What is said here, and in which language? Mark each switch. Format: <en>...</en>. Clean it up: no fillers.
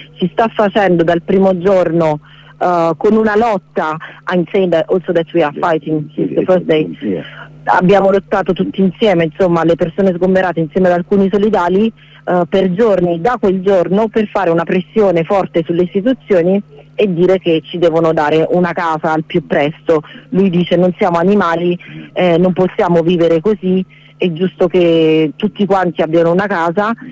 <it>Si sta facendo dal primo giorno con una lotta.</it> <en>I'm saying that also that we are fighting since the first day.</en> <it>Abbiamo lottato tutti insieme, insomma, le persone sgomberate insieme ad alcuni solidali per giorni, da quel giorno, per fare una pressione forte sulle istituzioni e dire che ci devono dare una casa al più presto. Lui dice non siamo animali, non possiamo vivere così, è giusto che tutti quanti abbiano una casa.</it>